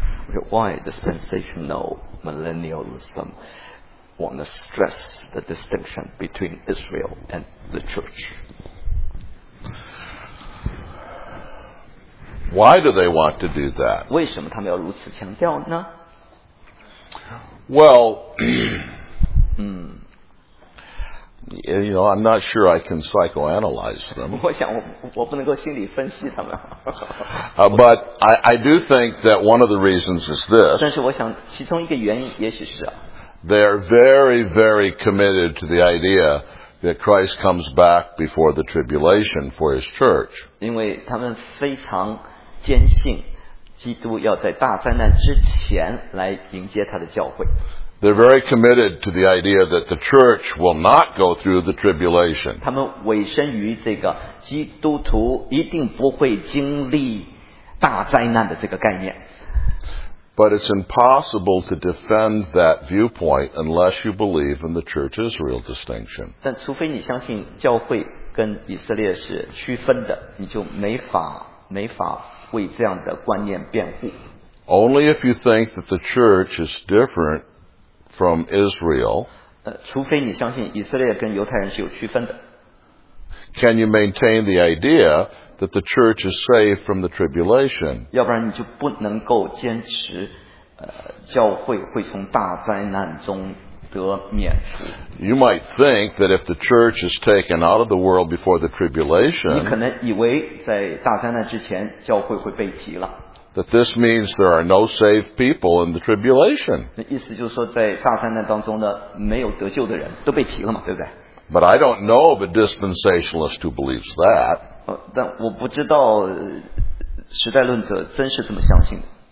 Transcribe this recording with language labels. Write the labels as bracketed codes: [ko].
[en] interpret why dispensational millennialism want to stress the distinction between Israel and the church. Why do they want to do that? [zh] 为什么他们要如此强调呢? [en] Well, you know, I'm not sure I can psychoanalyze them. [zh] 我想我不能够心理分析他们。 [en] But I do think that one of the reasons is this. [zh] 但是我想其中一个原因也许是啊。 [en] They are very, very committed to the idea that Christ comes back before the tribulation for his church. [zh] 因为他们非常坚信基督要在大灾难之前来迎接他的教会。 [en] They're very committed to the idea that the church will not go through the tribulation. [zh] 他们委身于这个基督徒一定不会经历大灾难的这个概念。 [en] But it's impossible to defend that viewpoint unless you believe in the church-Israel distinction. [zh] 但除非你相信教会跟以色列是区分的，你就没法为这样的观念辩护。 [en] Only if you think that the church is different from Israel, [zh] 除非你相信以色列跟犹太人是有区分的。 [en] Can you maintain the idea that the church is saved from the tribulation? [zh] 要不然你就不能够坚持，教会会从大灾难中得免除。 [en] You might think that if the church is taken out of the world before the tribulation, [zh] 你可能以为在大灾难之前教会会被提了。 [en] That this means there are no saved people in the tribulation. [zh] 那意思就是说在大灾难当中呢，没有得救的人都被提了嘛，对不对？ [en] But I don't know of a dispensationalist who believes that. [zh] 但我不知道时代论者真是这么相信的。